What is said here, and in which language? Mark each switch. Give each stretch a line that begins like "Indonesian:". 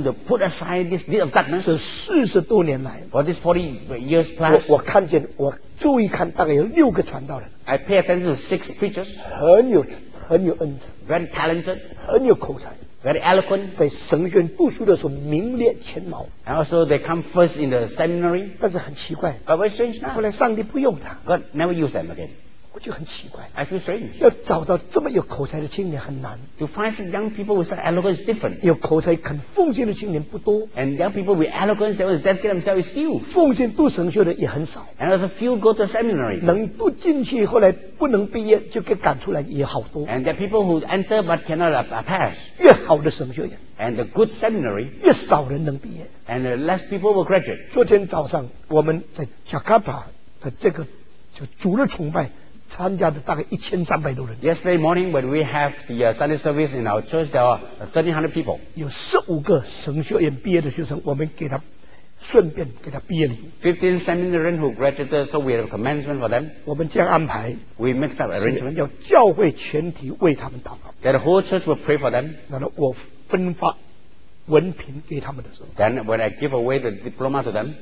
English: When to put aside this deed of darkness，
Chinese: 是四十多年来
English: ，For this 40 years plus，
Chinese: 我看见我。注意看，大概有六个传道人。
English: I pay attention to six preachers，
Chinese: 很有恩赐
English: ，very talented，
Chinese: 很有口才
English: ，very eloquent，
Chinese: 在神学院读书的时候名列前茅。
English: And also they come first in the seminary，
Chinese: 但是很奇怪
English: ，but very strange now。
Chinese: 后来上帝不用他
English: ，God never use them again。
Chinese: 我就很奇怪
English: ，I feel strange。
Chinese: 要找到这么有口才的青年很难。
English: To find such young people with such eloquence is different。
Chinese: 有口才肯奉献的青年不多。
English: And young people with eloquence that will dedicate themselves is few。
Chinese: 奉献读神学的也很少。
English: And also few go to seminary。
Chinese: 能读进去后来不能毕业就给赶出来也好多。
English: And there are people who enter but cannot pass。
Chinese: 越好的神学院。
English: And the good seminary，
Chinese: 越少人能毕业。
English: And less people will graduate。
Chinese: 昨天早上我们在 Jakarta 的这个就主日崇拜。参加的大概1300多人。
English: Yesterday morning when we have the Sunday service in our church, there are 1300 people.
Chinese: 有15个神学院毕业的学生，我们给他顺便给他毕业礼。
English: 15 seminarians who graduated, so we have commencement for them.
Chinese: 我们这样安排。
English: We make some arrangement.
Chinese: 要教会全体为他们祷告。
English: That the whole church will pray for them.
Chinese: 然后我分发文凭给他们的时候。
English: Then when I give away the diploma to them.